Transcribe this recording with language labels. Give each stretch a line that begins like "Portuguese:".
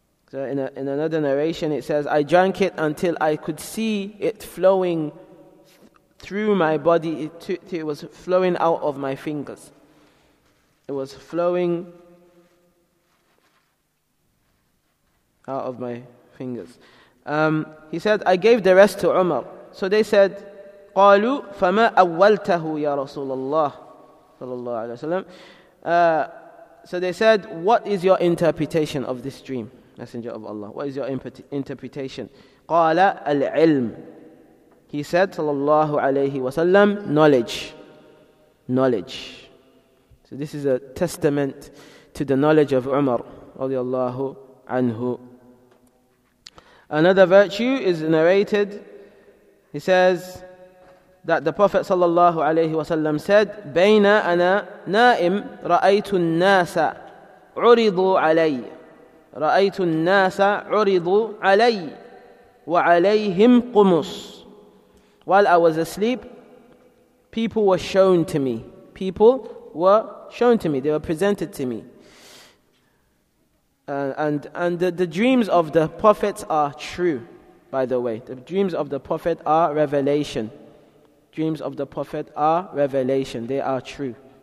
English: So in another narration it says, I drank it until I could see it flowing through my body, it was flowing out of my fingers. It was flowing out of my fingers. He said, I gave the rest to Umar. So they said,
Arabic: قَالُوا فَمَا أَوَّلْتَهُ يَا رَسُولَ اللَّهِ صَلَى اللَّهُ عَلَيْهِ وَسَلَّمُ.
English: So they said, what is your interpretation of this dream, Messenger of Allah? What is your interpretation?
Arabic: قَالَ الْعِلْمُ.
English: He said, sallallahu alayhi wa sallam, knowledge. Knowledge. So this is a testament to the knowledge of Umar, radiallahu anhu. Another virtue is narrated. He says that the Prophet sallallahu alayhi wa sallam said,
Arabic: بَيْنَا أَنَا نَائِمْ رَأَيْتُ النَّاسَ عُرِضُوا عَلَيِّ رَأَيْتُ النَّاسَ عُرِضُوا عَلَيِّ وَعَلَيْهِمْ قُمُصُ.
English: While I was asleep, people were shown to me. People were shown to me. They were presented to me. And the dreams of the prophets are true, by the way. The dreams of the prophet are revelation. Dreams of the prophet are revelation. They are true.